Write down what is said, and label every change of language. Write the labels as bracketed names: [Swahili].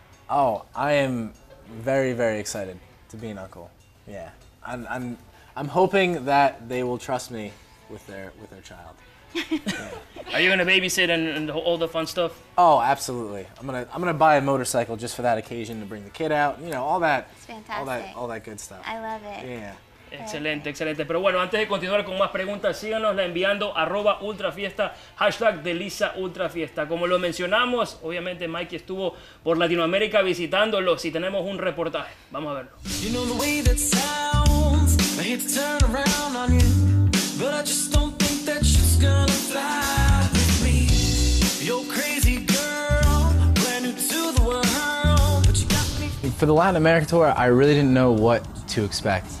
[English] Oh, I am very, very excited to be an uncle. Yeah. I'm hoping that they will trust me with their child. Are you gonna babysit and all the fun stuff? Oh, absolutely. I'm gonna buy a motorcycle just for that occasion to bring the kid out. You know, all that. It's fantastic. All that good stuff. I love it. Yeah. [Spanish] Excelente, excelente. Pero bueno, antes de continuar con más preguntas, síganosla enviando arroba ultrafiesta, hashtag Deleasa ultrafiesta. Como lo mencionamos, obviamente Mikey estuvo por Latinoamérica visitándolo. Si tenemos un reportaje, vamos a verlo. [English] You know the way that sounds, I hate to turn around on you, but I just don't think that she's gonna fly with me. You're crazy girl, brand new to the world, but you got me. For the Latin America tour, I really didn't know what to expect.